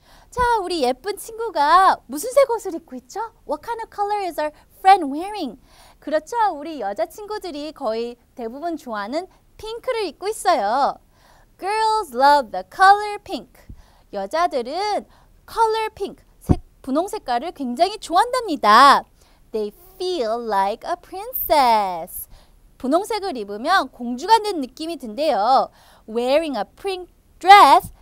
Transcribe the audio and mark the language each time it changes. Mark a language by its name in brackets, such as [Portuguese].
[Korean] 자, 우리 예쁜 친구가 무슨 색 옷을 입고 있죠? [English] What kind of color is our friend wearing? [Korean] 그렇죠, 우리 여자친구들이 거의 대부분 좋아하는 핑크를 입고 있어요. [English] Girls love the color pink. [Korean] 여자들은 [English] color pink, [Korean] 분홍 색깔을 굉장히 좋아한답니다. [English] They feel like a princess. [Korean] 분홍색을 입으면 공주가 된 느낌이 든대요. [English] Wearing a pink dress